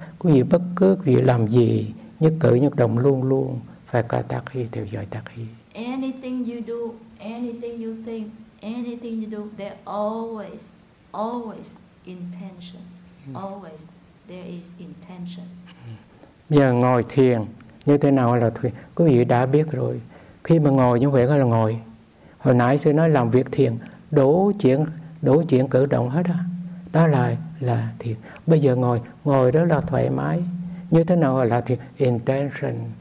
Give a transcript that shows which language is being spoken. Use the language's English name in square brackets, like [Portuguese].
[Vietnamese] Quý vị bất cứ quý vị làm gì, nhất cử nhất động luôn luôn phải có tác ý, theo dõi tác ý. [English] Anything you do, anything you think, anything you do, there always, always intention. Always there is intention. [Vietnamese] Bây giờ ngồi thiền như thế nào là thiền? Quý vị đã biết rồi. Khi mà ngồi như vậy là ngồi. Hồi nãy sư nói làm việc thiền, đủ chuyện cử động hết đó. Đó là thiền. Bây giờ ngồi rất là thoải mái. Như thế nào là thiền? Intention.